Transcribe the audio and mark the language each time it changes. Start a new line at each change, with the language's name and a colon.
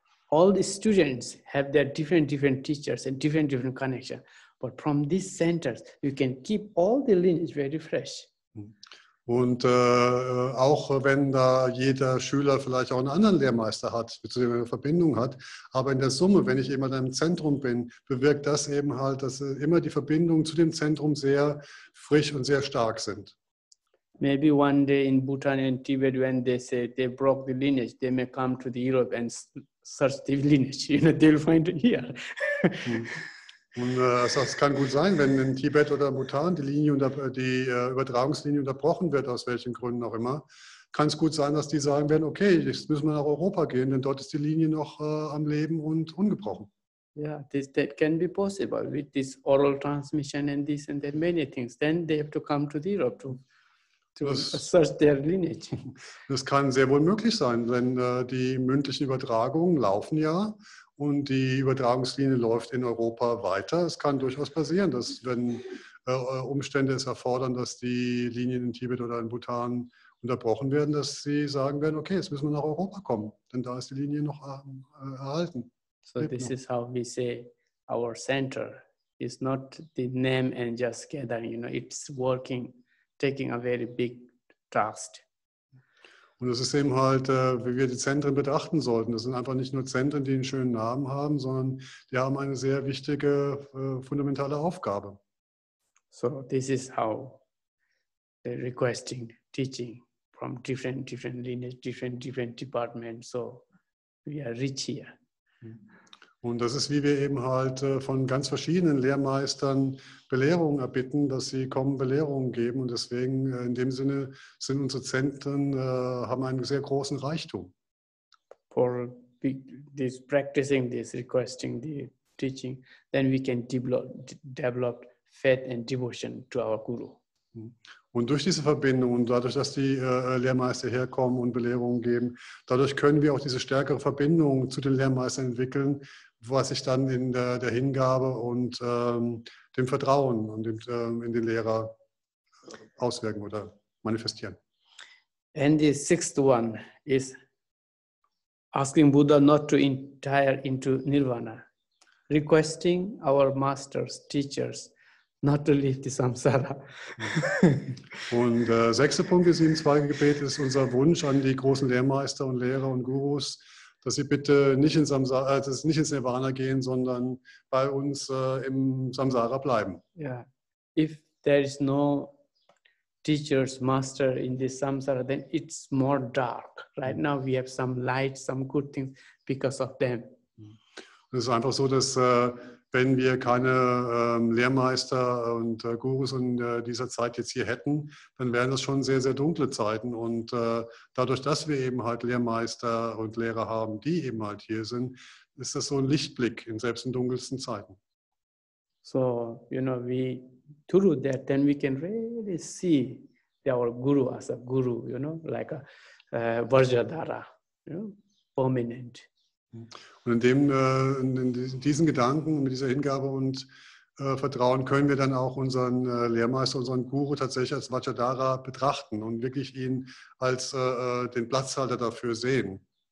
English: All the students have their different teachers and different connection, but from these centers you can keep all the lineage very fresh.
German: Und auch wenn da jeder Schüler vielleicht auch einen anderen Lehrmeister hat, beziehungsweise eine Verbindung hat, aber in der Summe, wenn ich eben in einem Zentrum bin, bewirkt das eben halt, dass immer die Verbindungen zu dem Zentrum sehr frisch und sehr stark sind.
English: Maybe one day in Bhutan and Tibet, when they say they broke the lineage, they may come to the Europe and search the lineage, you know, they'll find it here.
German: Und es kann gut sein, wenn in Tibet oder Bhutan die Linie, Übertragungslinie unterbrochen wird, aus welchen Gründen auch immer, kann es gut sein, dass die sagen werden, okay, jetzt müssen wir nach Europa gehen, denn dort ist die Linie noch am Leben und ungebrochen.
English: Yeah, that can be possible with this oral transmission and this and that many things. Then they have to come to Europe to search their lineage.
German: Das kann sehr wohl möglich sein, denn die mündlichen Übertragungen laufen ja. Und die Übertragungslinie läuft in Europa weiter. Es kann durchaus passieren, dass wenn Umstände es erfordern, dass die Linien in Tibet oder in Bhutan unterbrochen werden, dass sie sagen werden, okay, jetzt müssen wir nach Europa kommen, denn da ist die Linie noch erhalten.
English: So this is how we say our center is not the name and just gathering, you know, it's working, taking a very big trust.
German: Und das ist eben halt, wie wir die Zentren betrachten sollten. Das sind einfach nicht nur Zentren, die einen schönen Namen haben, sondern die haben eine sehr wichtige, fundamentale Aufgabe.
English: So, this is how the requesting teaching from different lineage, different departments. So, we are rich here.
German: Und das ist, wie wir eben halt von ganz verschiedenen Lehrmeistern Belehrungen erbitten, dass sie kommen, Belehrungen geben. Und deswegen, in dem Sinne, sind unsere Zentren, haben einen sehr großen Reichtum.
English: For this practicing, this requesting, the teaching, then we can develop faith and devotion to our Guru.
German: Und durch diese Verbindung und dadurch, dass die Lehrmeister herkommen und Belehrungen geben, dadurch können wir auch diese stärkere Verbindung zu den Lehrmeistern entwickeln, was sich dann in der Hingabe und dem Vertrauen und in den Lehrer auswirken oder manifestieren.
English: And the sixth one is asking Buddha not to enter into Nirvana, requesting our masters, teachers, not to leave the samsara.
German: Und der sechste Punkt ist im zweiten Gebet, ist unser Wunsch an die großen Lehrmeister und Lehrer und Gurus, dass sie bitte nicht ins Samsara, dass sie nicht ins Nirvana gehen, sondern bei uns im Samsara bleiben. Ja. Yeah.
English: If there is no teachers, master in the samsara, then it's more dark. Right now we have some light, some good things because of them.
German: Und es ist einfach so, dass wenn wir keine Lehrmeister und Gurus in dieser Zeit jetzt hier hätten, dann wären das schon sehr, sehr dunkle Zeiten. Und dadurch, dass wir eben halt Lehrmeister und Lehrer haben, die eben halt hier sind, ist das so ein Lichtblick in selbst in dunkelsten Zeiten.
English: So, you know, we through that, then we can really see our Guru as a Guru, you know, like a Vajradhara, you know, permanent.
German: Und in diesen Gedanken, mit dieser Hingabe und Vertrauen können wir dann auch unseren Lehrmeister, unseren Guru tatsächlich als Vajradhara betrachten und wirklich ihn als den Platzhalter dafür sehen.